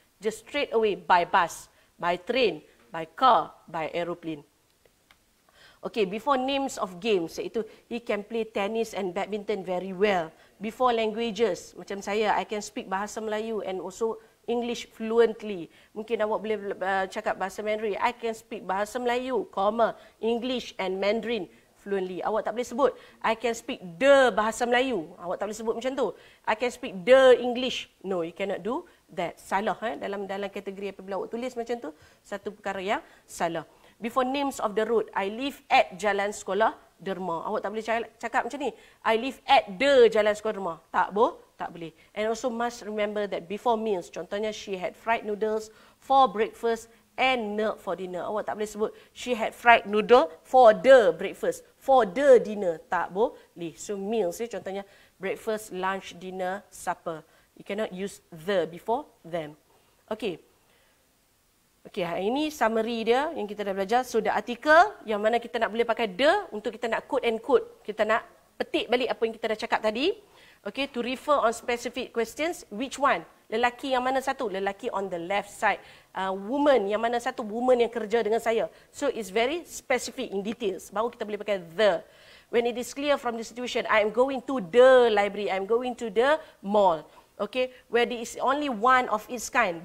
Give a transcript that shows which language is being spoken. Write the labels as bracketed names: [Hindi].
[English] Just straight away, by bus, by train, by car, by aeroplane. Okay, before names of games, iaitu he can play tennis and badminton very well. Before languages, macam saya, I can speak Bahasa Melayu and also English fluently. [Malay] Mungkin awak boleh cakap Bahasa Mandarin. [English] I can speak Bahasa Melayu, comma, English and Mandarin fluently. [Malay] Awak tak boleh sebut, [English] I can speak the Bahasa Melayu. [Malay] Awak tak boleh sebut macam tu. [English] I can speak the English. No, you cannot do that. Salah. Eh? [Malay] Dalam kategori apabila awak tulis macam tu, satu perkara yang salah. [English] Before names of the road, I live at Jalan Sekolah Derma. [Malay] Awak tak boleh cakap macam ni. [English] I live at the Jalan Sekolah Derma. [Malay] Tak boh? Tak boleh. [English] And also must remember that before meals, contohnya she had fried noodles for breakfast and milk for dinner. [Malay] Awak tak boleh sebut [English] she had fried noodle for the breakfast, for the dinner. [Malay] Tak boleh. [English] So meals ni contohnya breakfast, lunch, dinner, supper. You cannot use the before them. Okay. [Malay] Okay, ini summary dia yang kita dah belajar. So, the article yang mana kita nak boleh pakai the untuk kita nak quote and quote. Kita nak petik balik apa yang kita dah cakap tadi. [English] Okay, to refer on specific questions, which one? [Malay] Lelaki yang mana satu? Lelaki [English] on the left side. [Malay] Woman yang mana satu? Woman yang kerja dengan saya. [English] So, it's very specific in details. [Malay] Baru kita boleh pakai the. [English] When it is clear from the situation, I am going to the library. I am going to the mall. Okay, where there is only one of its kind.